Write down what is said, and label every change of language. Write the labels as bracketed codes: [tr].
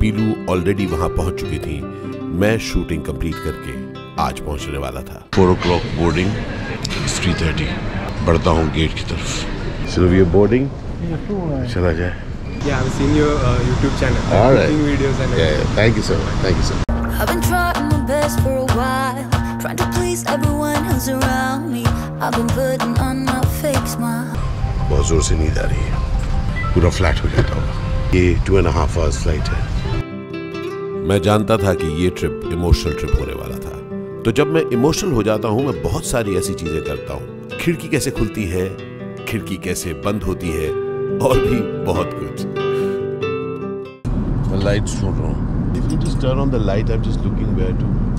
[hi] पीलू already वहां पहुंच चुकी थी. मैं शूटिंग कंप्लीट करके आज पहुंचने वाला था. [en] 4 o'clock boarding 3:30. [hi] बढ़ता हूं गेट की तरफ. [en] So we are boarding. चला जाए. Yeah I seen your YouTube channel shooting videos. Thank you sir. Thank you sir. I've been trying my best for a while, trying to please everyone who's around me. I've been putting on my fake smile. [hi] बहुत जोर से नींद आ रही है. पूरा flat हो जाता होगा. ये 2.5 hours फ्लाइट है. मैं जानता था कि ये ट्रिप इमोशनल ट्रिप होने वाला था. तो जब मैं इमोशनल हो जाता हूँ, मैं बहुत सारी ऐसी चीजें करता हूँ. खिड़की कैसे खुलती है, खिड़की कैसे बंद होती है, और भी बहुत कुछ. मैं लाइट सुन रहा हूँ. [en] If you just turn on the light, I'm just looking where to.